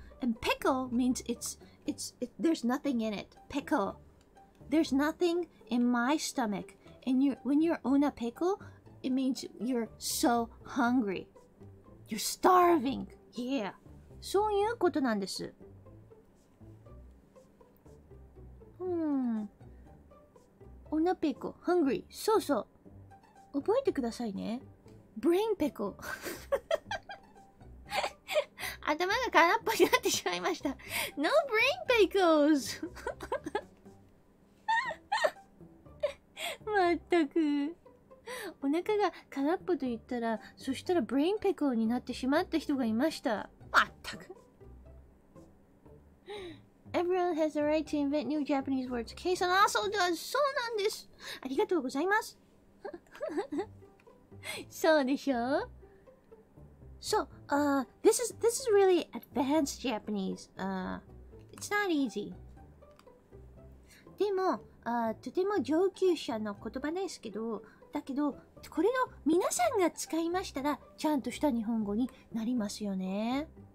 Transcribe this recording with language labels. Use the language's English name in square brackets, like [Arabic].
[English] And Peko means it's there's nothing in it. Peko. There's nothing in my stomach. And when you're on a pickle, it means you're so hungry. You're starving. Yeah. [Japanese] そういうことなんです。 [English] On a pickle. Hungry. [Japanese] そうそう。覚えてくださいね。 [English] Brain pickle. [Japanese] 頭が空っぽになってしまいました。 [English] No brain pickles. [Japanese] まったく。お腹が空っぽと言ったら、そしたらブレインペコになってしまった人がいました。まったく。 [English] Everyone has the right to invent new Japanese words. Keisan also does. [Japanese] そうなんです。ありがとうございます。そうでしょう。 [English] So, this is really advanced Japanese. It's not easy. [Japanese] でも、とても上級者の言葉ですけど、だけどこれを皆さんが使いましたらちゃんとした日本語になりますよね。